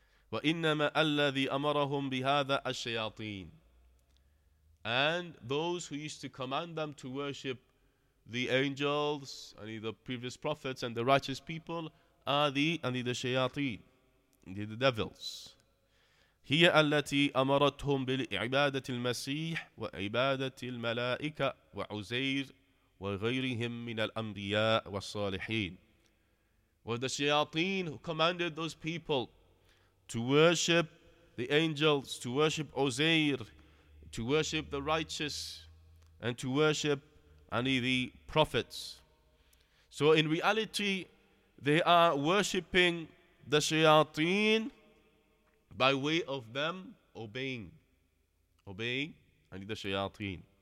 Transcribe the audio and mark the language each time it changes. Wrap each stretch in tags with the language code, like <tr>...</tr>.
<ar>وَإِنَّمَا أَلَّذِي أَمَرَهُمْ بِهَذَا الشَّيَاطِينَ.</ar> <en>And those who used to command them to worship the angels, the previous prophets and the righteous people, are the shayateen, the devils.</en> <ar>هي التي أمرتهم بالعبادة المسيح وعبادة الملائكة وعزير وغيرهم من الأنبياء والصالحين.</ar> <en>Were the shayateen who commanded those people to worship the angels, to worship Uzair, to worship the righteous, and to worship the prophets. So in reality, they are worshipping the shayateen by way of them obeying the shayateen.</en>